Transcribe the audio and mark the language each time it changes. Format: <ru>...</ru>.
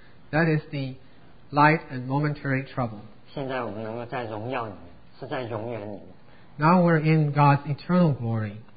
<en>that is the light and momentary trouble.</en> <zh>现在我们能够在荣耀里面,</zh> <en>now we're in God's eternal glory.</en>